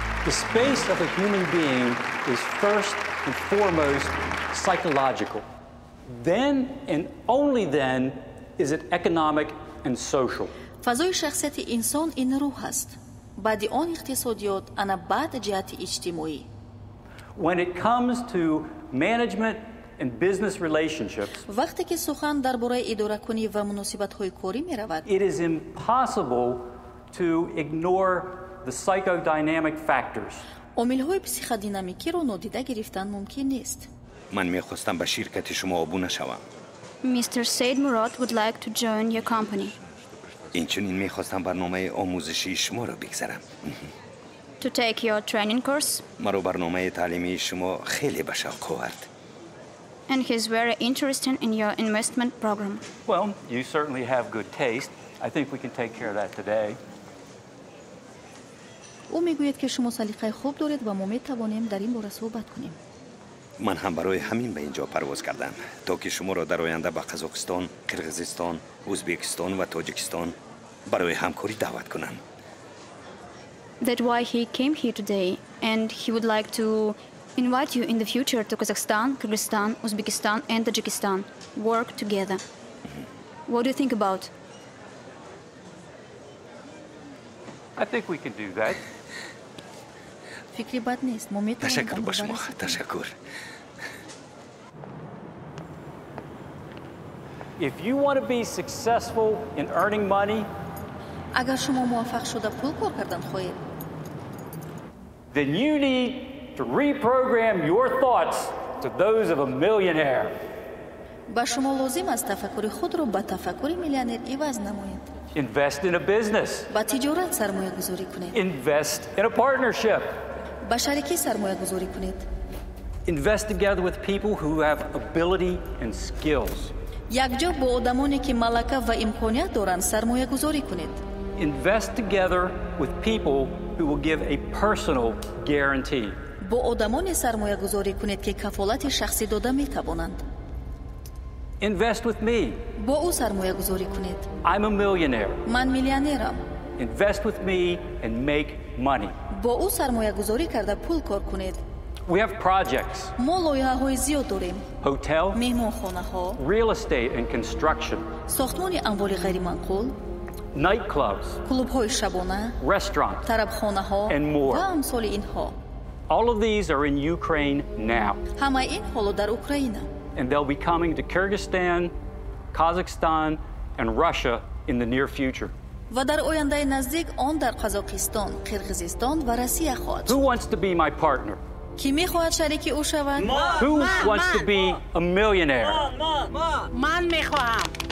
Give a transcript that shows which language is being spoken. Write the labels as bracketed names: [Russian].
[English] Space of a human being is first and foremost psychological. Then and only then is it economic and social. [Persian] فضای شخصیت انسان این روح است. بعد آن اقتصادیات، آن بعد جهت اجتماعی. [English] When it comes to management and business relationships, [Persian] وقتی که سخن درباره اداره کنی و مناسبات های کاری می رود, [English] it is impossible to ignore the psychodynamic factors. [Persian] عوامل پسیخودینامیکی را نادیده گرفتن ممکن نیست. من می خواستم به شرکت شما آبونه شوم. [English] Mr. Said Murad would like to join your company. [Persian] اینچنین می خواستم برنامه آموزشی شما را بگذرم. [English] To take your training course. [Persian] مرا برنامه تعلیمی شما خیلی به شوق آورد. [English] And he's very interested in your investment program. Well, you certainly have good taste. I think we can take care of that today. [Persian] او میگوید که شما سلیقه خوب دارید و ما میتوانیم در این باره صحبت کنیم. من هم برای همین به اینجا پرواز کردم تا که شما را در آینده به قزاقستان، قرغیزستان، ازبکستان و تاجیکستان برای همکاری دعوت کنم. [English] That why he came here today and he would like to invite you in the future to Kazakhstan, Kyrgyzstan, Uzbekistan and Tajikistan. Work together. What do you think about? I think we can do that. [Persian] فکری بد نیست. ممنون. تشکر با شما. تشکر. [English] If you want to be successful in earning money, [Persian] اگر شما موفق شده پول کار کردن خواهید, [English] then you need to reprogram your thoughts to those of a millionaire. [Persian] با شما لازم است تفکر خود را به تفکر میلیونر عوض نمایید. [English] Invest in a business. [Persian] با تجارت سرمایه گذاری کنید. [English] Invest in a partnership. [Persian] با شریکی سرمایه گذاری کنید. [English] Invest together with people who have ability and skills. [Persian] یکجا با آدمانی که ملکه و امکانات دارند سرمایه گذاری کنید. [English] Invest together with people who will give a personal guarantee. [Persian] با آدمانی سرمایه گذاری کنید که کفالت شخصی داده می توانند. [English] Invest with me. [Persian] با او سرمایه گذاری کنید. [English] I'm a millionaire. [Persian] من میلیونرم. [English] Invest with me and make money. [Persian] با او سرمایه گذاری کرده پول کار کنید. [English] We have projects. [Persian] ما لایحه های زیاد داریم. [English] Hotel. [Persian] مهمانخانه ها. [English] Real estate and construction. [Persian] ساختمان اموال غیر منقول. [English] Nightclubs. [Persian] کلوب های شبانه. [English] Restaurant. [Persian] طربخانه ها. [English] And more. [Persian] و امثال اینها. [English] All of these are in Ukraine now. [Persian] همه این حالا در اوکراینه. [English] And they'll be coming to Kyrgyzstan, Kazakhstan, and Russia in the near future. [Persian] و در آینده نزدیک آن در قزاقستان، قرغیزستان و روسیه خواهد. [English] Who wants to be my partner? [Persian] کی می خواهد شریک او شود؟ ما. [English] Who wants [Persian] ما. [English] To be [Persian] ما. [English] A millionaire? [Persian] ما. من می خواهم.